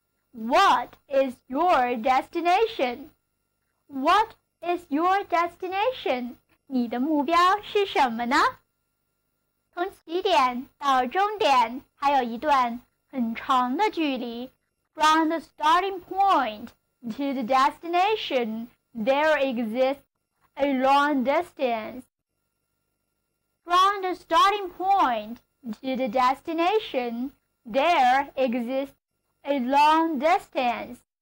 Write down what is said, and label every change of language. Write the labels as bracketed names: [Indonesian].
[English] What is your destination? What is your destination? [Chinese] 你的目标是什么呢？从起点到终点还有一段很长的距离。 [English] From the starting point to the destination, there exists a long distance. From the starting point to the destination, there exists a long distance.